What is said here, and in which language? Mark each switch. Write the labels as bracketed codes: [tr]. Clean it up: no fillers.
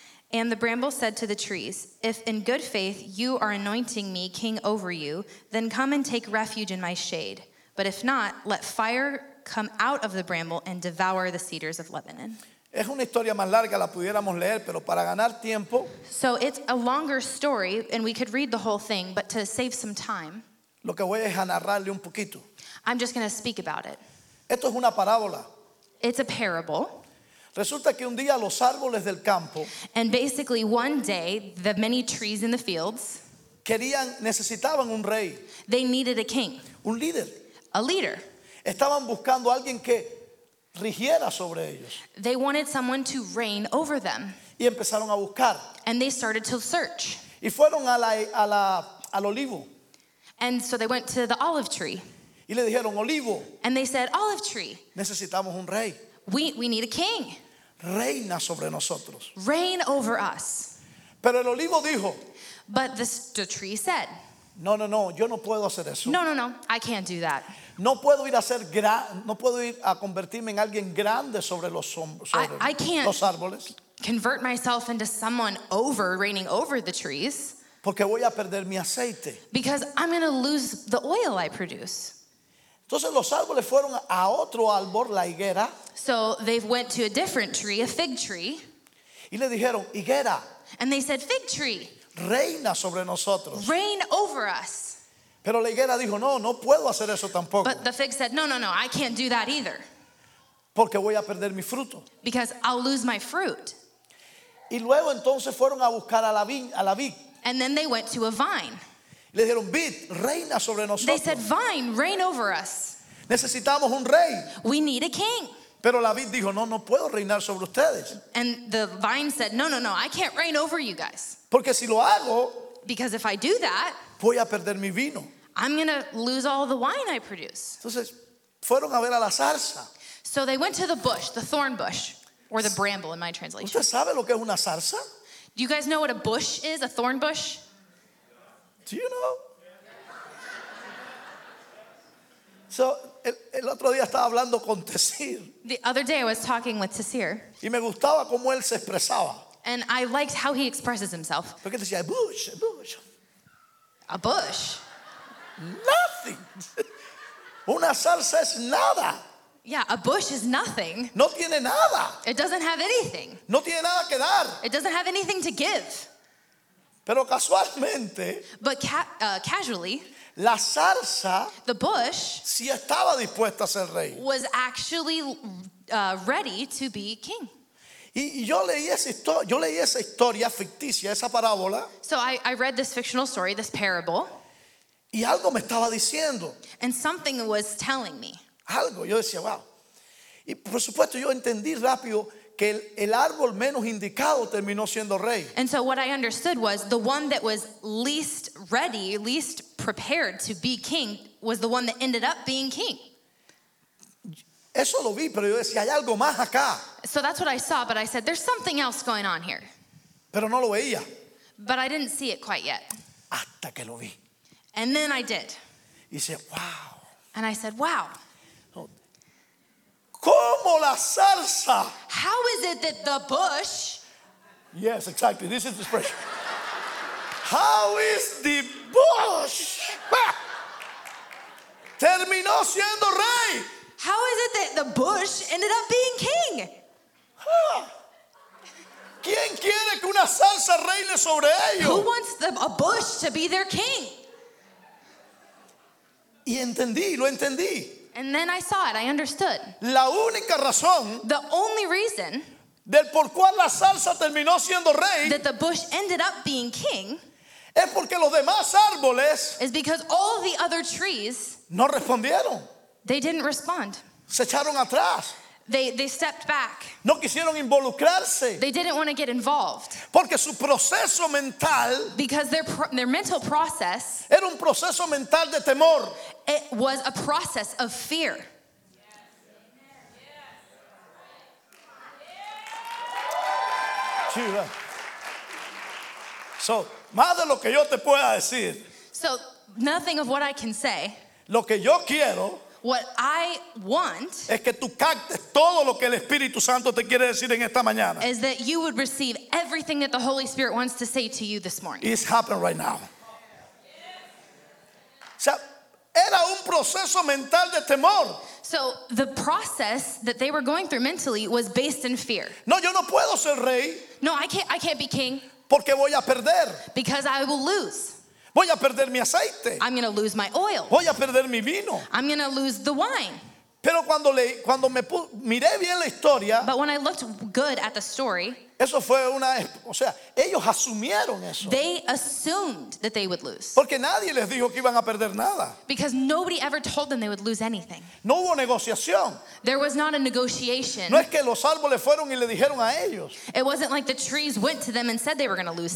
[en] And the bramble said to the trees, if in good faith you are anointing me king over you, then come and take refuge in my shade. But if not, let fire come out of the bramble and devour the cedars of Lebanon. [es] Es una historia más larga, la pudiéramos leer, pero para ganar tiempo. [en] So it's a longer story, and we could read the whole thing, but to save some time, [es] lo que voy es a narrarle un poquito. [en] I'm just going to speak about it. [es] Esto es una parábola. [en] It's a parable. [es] Resulta que un día los árboles del campo, [en] and basically one day the many trees in the fields [es] necesitaban un rey. [en] They needed a king. [es] Un líder. [en] A leader. [es] Estaban buscando alguien que rigiera sobre ellos. [en] They wanted someone to reign over them. [es] Y empezaron a buscar. [en] And they started to search. [es] Y fueron al olivo. [en] And so they went to the olive tree. [es] Y le dijeron, olivo, [en] and they said, olive tree, [es] necesitamos un rey. [en] We need a king. [es] Reina sobre nosotros. [en] Reign over us. [es] Pero el olivo dijo, [en] but the tree said, [es] no, yo no puedo hacer eso. [en] No, I can't do that. [es] No puedo ir a convertirme en alguien grande sobre los árboles. [en] I can't convert myself into someone over, reigning over the trees. [es] Porque voy a perder mi aceite. [en] Because I'm going to lose the oil I produce. [es] Entonces los árboles fueron a otro árbol, la higuera. [en] So they went to a different tree, a fig tree. [es] Y le dijeron, higuera. [en] And they said, fig tree. [es] Reina sobre nosotros. [en] Reign over us. [es] Pero la higuera dijo, no puedo hacer eso tampoco. [en] But the fig said, no, I can't do that either. [es] Porque voy a perder mi fruto. [en] Because I'll lose my fruit. [es] Y luego entonces fueron a buscar a la vid. [en] And then they went to a vine. [es] Le dijeron, vid, reina sobre nosotros. [en] They said, vine, reign over us. [es] Necesitamos un rey. [en] We need a king. [es] Pero la vid dijo, no, no puedo reinar sobre ustedes. [en] And the vine said, no, no, no, I can't reign over you guys. [es] Porque si lo hago, [en] because if I do that, [es] voy a perder mi vino. [en] I'm going to lose all the wine I produce. [es] Entonces, fueron a ver a la zarza. [en] So they went to the bush, the thorn bush, or the bramble in my translation. [es] ¿Usted sabe lo que es una zarza? [en] Do you guys know what a bush is, a thorn bush? Do you know? [es] So, el otro día estaba hablando con Tessir. [en] The other day I was talking with Tessir. [es] Y me gustaba cómo él se expresaba. [en] And I liked how he expresses himself. [es] Porque decía, bush, bush. [en] A bush. Nothing. [es] Una salsa es nada. [en] Yeah, a bush is nothing. [es] No tiene nada. [en] It doesn't have anything. [es] No tiene nada que dar. [en] It doesn't have anything to give. [es] Pero casualmente. [en] But casually. [es] La salsa. [en] The bush. [es] Si estaba dispuesta a ser rey. [en] Was actually ready to be king. [es] Y yo leí esa historia, ficticia, esa parábola. [en] So I read this fictional story, this parable. [es] Y algo me estaba diciendo. [en] And something was telling me. [es] Algo, yo decía, wow. Y por supuesto yo entendí rápido que el árbol menos indicado terminó siendo rey. [en] And so what I understood was the one that was least ready, least prepared to be king was the one that ended up being king. [es] Eso lo vi, pero yo decía, hay algo más acá. [en] So that's what I saw, but I said, there's something else going on here. [es] Pero no lo veía. [en] But I didn't see it quite yet. [es] Hasta que lo vi. [en] And then I did. [es] Y dice, wow. [en] And I said, wow. [es] ¿Cómo la salsa? [en] How is it that the bush? Yes, exactly. This is the expression. How is the bush? [es] Terminó siendo rey. [en] How is it that the bush ended up being king? [es] ¿Quién quiere que una salsa reine sobre ellos? [en] Who wants a bush to be their king? [es] Y entendí, lo entendí. [en] And then I saw it, I understood. [es] La única razón, [en] the only reason, [es] del por cual la salsa terminó siendo rey, [en] that the bush ended up being king, [es] es porque los demás árboles, [en] is because all the other trees, [es] no respondieron. [en] They didn't respond. [es] Se echaron atrás. [en] They stepped back. [es] No quisieron involucrarse. [en] They didn't want to get involved. [es] Porque su proceso mental, [en] because their mental process, [es] era un proceso mental de temor. [en] It was a process of fear. [es] So, más de lo que yo te pueda decir. [en] So, nothing of what I can say. [es] Lo que yo quiero. [en] What I want [es] es que tú captes todo lo que el Espíritu Santo te quiere decir en esta mañana. [en] Is that you would receive everything that the Holy Spirit wants to say to you this morning. It's happening right now. [es] O sea, era un proceso mental de temor. [en] So the process that they were going through mentally was based in fear. [es] No, yo no puedo ser rey. [en] No, I can't be king. [es] Porque voy a perder. [en] Because I will lose. [es] Voy a perder mi aceite. [en] I'm going to lose my oil. [es] Voy a perder mi vino. [en] I'm going to lose the wine. [es] Pero cuando me miré bien la historia, [en] but when I looked good at the story, [es] eso fue una, o sea, ellos asumieron eso. [en] They assumed that they would lose. [es] Porque nadie les dijo que iban a perder nada. [en] Because nobody ever told them they would lose anything. [es] No hubo negociación. [en] There was not a negotiation. [es] No es que los árboles fueron y le dijeron a ellos. [en] It wasn't like the trees went to them and said they were going to lose